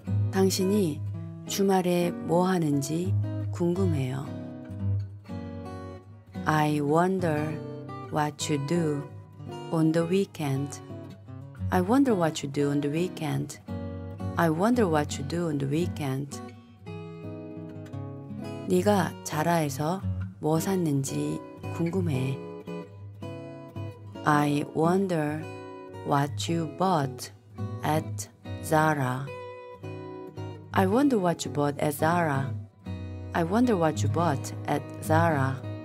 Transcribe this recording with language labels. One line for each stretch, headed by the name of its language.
Korean: 당신이 주말에 뭐 하는지 궁금해요.
English: I wonder what you do on the weekend. I wonder what you do on the weekend. I wonder what you do on the weekend.
Korean: 네가 자라에서 뭐 샀는지 궁금해.
English: I wonder what you bought at Zara. I wonder what you bought at Zara. I wonder what you bought at Zara.